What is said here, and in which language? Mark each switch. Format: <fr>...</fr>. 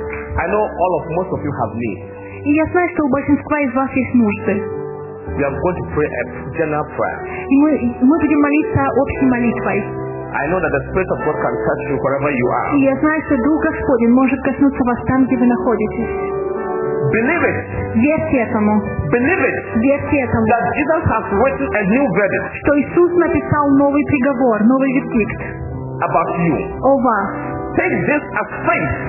<en>I know most of you have me.</en> <ru>И я знаю, что у большинства из вас есть нужды.</ru> <en>We are going to pray a general prayer.</en> <ru>И мы будем молиться общей молитвой.</ru> <en>I know that the Spirit of God can touch you wherever you are.</en> <ru>И я знаю, что Дух Господень может коснуться вас там, где вы находитесь.</ru> <en>Believe it.</en> <ru>Верьте этому.</ru> <en>Believe it.</en> <ru>Верьте этому.</ru> <en>That Jesus has written a new verdict.</en> <ru>Что Иисус написал новый приговор, новый вердикт.</ru> <en>About you.</en> <ru>О вас.</ru> <en>take this as faith.</en>